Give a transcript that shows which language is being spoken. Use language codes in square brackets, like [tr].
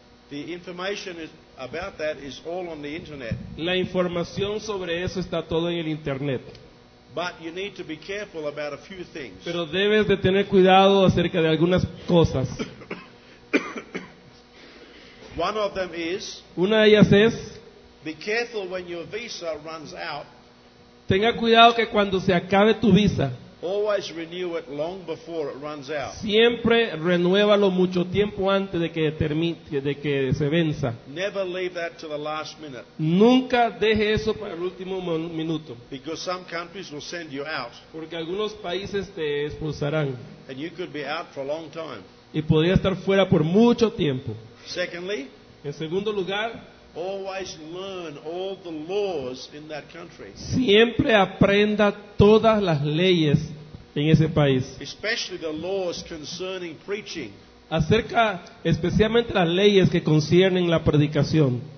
[en] The information is about that is all on the internet. [es] La información sobre eso está todo en el internet. [en] But you need to be careful about a few things. [es] Pero debes de tener cuidado acerca de algunas cosas. [en] One of them is, [es] una de ellas es, [en] be careful when your visa runs out. [es] Tenga cuidado que cuando se acabe tu visa, [en] always renew it long before it runs out. [es] Siempre renuévalo mucho tiempo antes de que se venza. [en] Never leave that to the last minute. [es] Nunca deje eso para el último minuto. [en] Because some countries will send you out. [es] Porque algunos países te expulsarán. [en] And you could be out for a long time. [es] Y podría estar fuera por mucho tiempo. [en] Secondly, [es] en segundo lugar, [en] always learn all the laws in that country. [es] Siempre aprenda todas las leyes en ese país. [en] Especially the laws concerning preaching. [es] Acerca especialmente las leyes que conciernen la predicación.